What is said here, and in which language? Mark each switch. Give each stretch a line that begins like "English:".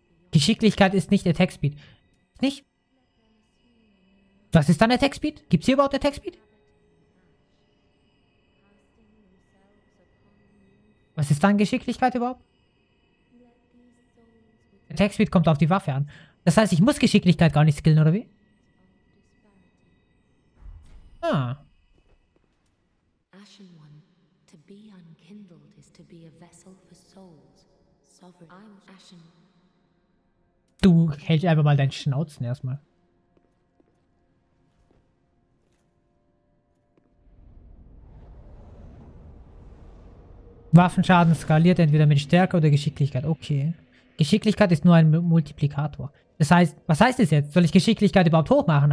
German: Geschicklichkeit ist nicht Attack-Speed. Nicht? Was ist dann Attack-Speed? Gibt es hier überhaupt Attack-Speed? Was ist dann Geschicklichkeit überhaupt? Attack-Speed kommt auf die Waffe an. Das heißt, ich muss Geschicklichkeit gar nicht skillen, oder wie? Ah.
English: Ashen One, to be unkindled is to be a vessel for souls. Sovereign. I'm Ashen.
German: Du hältst einfach mal deinen Schnauzen erstmal. Waffenschaden skaliert entweder mit Stärke oder Geschicklichkeit. Okay. Geschicklichkeit ist nur ein Multiplikator. Das heißt, was heißt das jetzt? Soll ich Geschicklichkeit überhaupt hochmachen?